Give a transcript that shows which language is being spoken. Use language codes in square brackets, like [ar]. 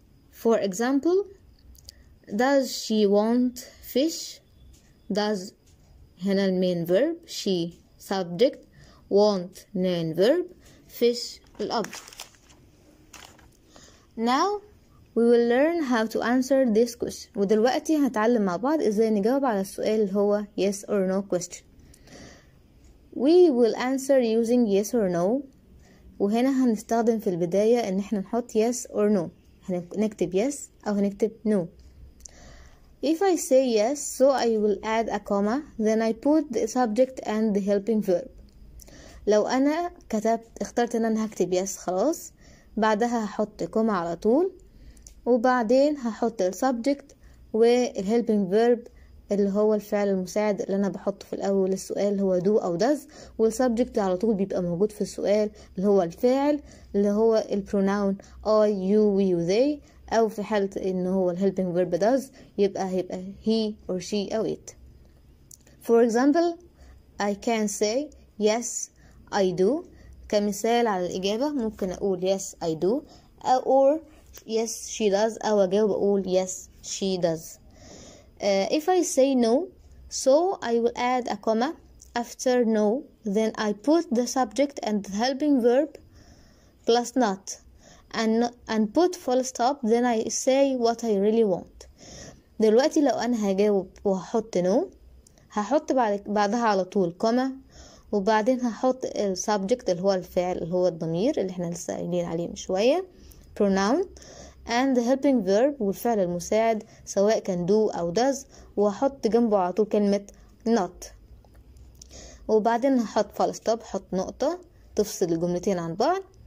[en] For example, does she want fish? Does, هنا main verb, she, subject, want, main verb, fish, object. Now, we will learn how to answer this question. [ar] ودلوقتي هتعلم مع بعض ازاي نجاوب على السؤال اللي هو [en] yes or no question. [ar] We will answer using yes or no. وهنا هنستخدم في البداية ان احنا نحط yes or no. هنكتب yes او هنكتب no. [en] If I say yes, so I will add a comma. Then I put the subject and the helping verb. [ar] لو انا كتبت اخترت ان انا هكتب yes خلاص. بعدها هحط كومة على طول. وبعدين هحط السبجكت والهيلبينج فيرب اللي هو الفعل المساعد اللي انا بحطه في الاول السؤال هو دو او داز، والسبجكت على طول بيبقى موجود في السؤال اللي هو الفاعل اللي هو البروناون اي يو وي يو ذي، او في حاله ان هو الهيلبينج فيرب داز هيبقى هي اور شي او ات. [en] for example I can see yes I do, [ar] كمثال على الاجابه ممكن اقول يس اي دو اور [en] yes she does، [ar] أو أجاوب أقول yes she does. [en] If I say no, so I will add a comma after no, then I put the subject and the helping verb plus not and put full stop, then I say what I really want. [ar] دلوقتي لو أنا هجاوب وهحط no، هحط بعدها على طول كومة، وبعدين هحط ال subject اللي هو الفعل اللي هو الضمير اللي احنا لسه قايلين عليه من شوية [en] pronoun and the helping verb [ar] والفعل المساعد سواء كان do أو does، وأحط جنبه على طول كلمة not، وبعدين هحط [en] full stop، [ar] حط نقطة تفصل الجملتين عن بعض.